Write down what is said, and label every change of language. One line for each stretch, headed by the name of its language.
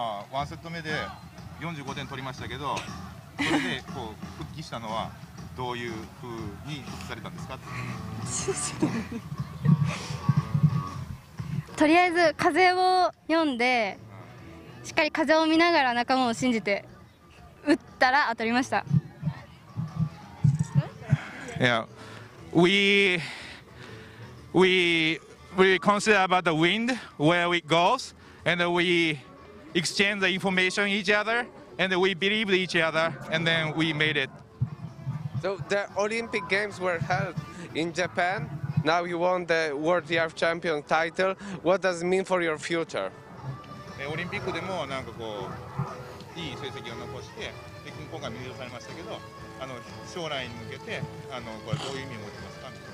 Japanese: One set 目で45点取りましたけど、それでこう復帰したのはどういうふうにされたんですか？とりあえず風を読んで、しっかり風を見ながら仲間を信じて打ったら当たりました。
English: Yeah, we consider about the wind where it goes, and we exchange the information each other, and we believe each other, and then we made it. So the Olympic Games were held in Japan. Now you won the World Youth Champion title. What does it mean for your future?
Japanese: Olympic でもなんかこういい成績を残して、で今回入賞されましたけど、あの将来に向けてあのこれどういう意味を持ちますか？